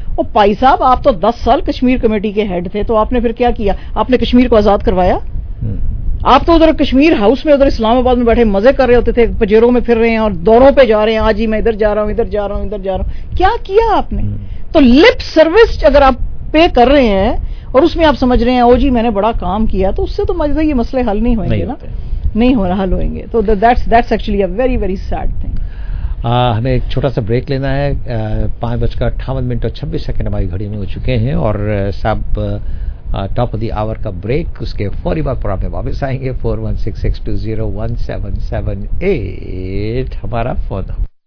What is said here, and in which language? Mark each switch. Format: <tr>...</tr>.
<ur>وہ پائی صاحب آپ تو 10 سال کشمیر کمیٹی کے ہیڈ تھے، تو آپ نے پھر کیا کیا؟ آپ نے کشمیر کو آزاد کروایا؟ آپ تو ادھر کشمیر ہاؤس میں ادھر اسلام آباد میں بیٹھے مزے کر رہے ہوتے تھے، پجیروں میں پھر رہے ہیں اور دوروں پہ جا رہے ہیں، آج ہی میں ادھر جا رہا ہوں ادھر جا رہا ہوں ادھر جا رہا ہوں. کیا کیا آپ نے؟ تو لپ سروس اگر آپ پے کر رہے ہیں اور اس میں آپ سمجھ رہے ہیں او جی میں نے بڑا کام کیا، تو اس سے تو مجھے یہ مسئلے حل نہیں ہوئیں گے نا، نہیں ہو رہا حل ہوئیں گے.</ur> <en>تو that's actually a very very sad thing.</en> <ur>ہمیں ایک چھوٹا سا بریک لینا ہے، 5:58 ہماری گھڑی میں ہو چکے ہیں اور سب ٹاپ آف دی آور کا بریک، اس کے فوری بعد پر آپ میں واپس آئیں گے. 4166201778 ہمارا فون نمبر.</ur>